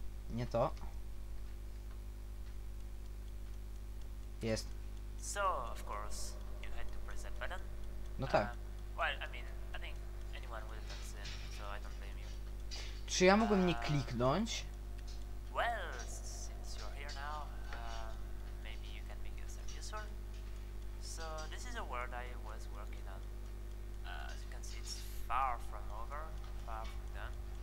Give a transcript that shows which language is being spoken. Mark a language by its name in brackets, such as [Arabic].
[Polish] Nie to. Jest. [English] So, of course, you had to press that button. [Polish] No tak. [English] Well, I mean, I think anyone would have seen, so I don't blame you. [Polish] Czy ja mogłem nie kliknąć? [English] Well, since you're here now, maybe you can make yourself useful. So, this is a word I was working on. As you can see, it's far from over, far from done.